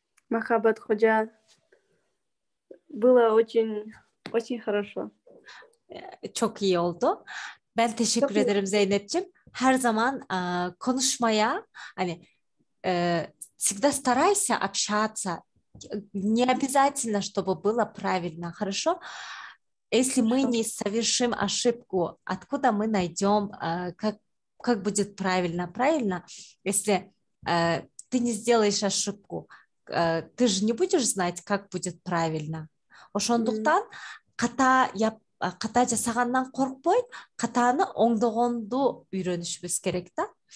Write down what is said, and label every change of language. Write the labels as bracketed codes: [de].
[ru] Махабат Хожа, было очень, очень хорошо. [tr] Çok iyi oldu. Ben teşekkür ederim Zeynep'ciğim. Her zaman konuşmaya, hani [ru] всегда старайся общаться. Не обязательно, чтобы было правильно, хорошо? Если мы не совершим ошибку, откуда мы найдем, как будет правильно? Правильно, если ты не сделаешь ошибку, ты же не будешь знать, как будет правильно. [ky] Ошондуктан, ката жасагандан коркпой, катаны оңдогонду үйрөнүшүбүз керек да.